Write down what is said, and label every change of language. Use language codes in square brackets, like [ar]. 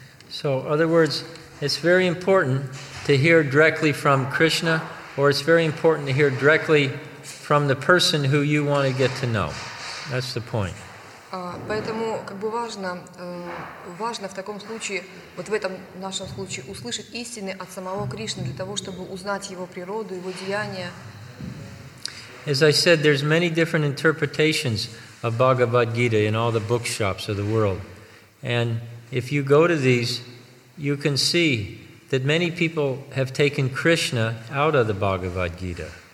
[en] So, in other words, it's very important to hear directly from Krishna, or it's very important to hear directly from the person who you want to get to know. That's the point. [ru] Поэтому как бы важно в таком случае, вот в этом нашем случае, услышать истины от самого Кришны для того, чтобы узнать его природу, его деяния. [en] As I said, there's many different interpretations of Bhagavad Gita in all the bookshops of the world. And if you go to these, you can see that many people have taken Krishna out of the Bhagavad Gita.